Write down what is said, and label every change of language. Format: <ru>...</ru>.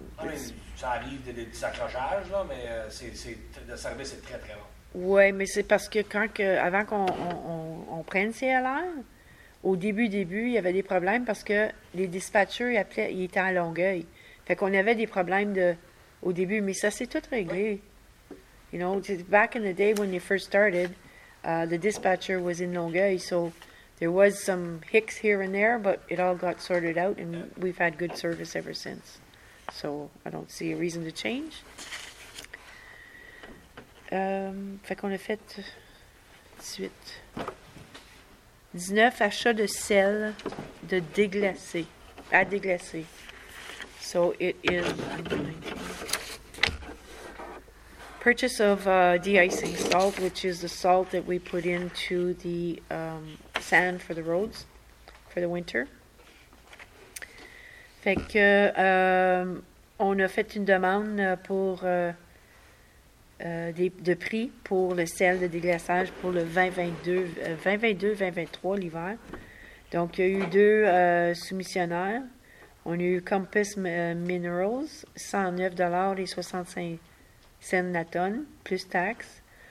<en>I mean,</en> <fr>ça arrive de s'accrochage, là, mais le service est très, très bon. Oui, mais c'est parce que avant qu'on prenne CLR, au début, il y avait des problèmes parce que les dispatchers, ils étaient à Longueuil. Fait qu'on avait des problèmes au début, mais ça s'est tout réglé.</fr> <en>You know, back in the day when they first started, the dispatcher was in Longueuil, so there was some hicks here and there, but it all got sorted out, and we've had good service ever since. So I don't see a reason to change.</en> <fr>Fait qu'on a fait 18. 19, achat de sel de déglacé. À déglacé.</fr> <en>So it is 19. Purchase of de-icing salt, which is the salt that we put into the sand for the roads for the winter.</en> <fr>Fait que on a fait une demande pour de prix pour le sel de déglaçage pour le 2022-2023, l'hiver. Donc, il y a eu deux soumissionnaires. On a eu Compass Minerals, $109.65 la tonne, plus taxes.</fr>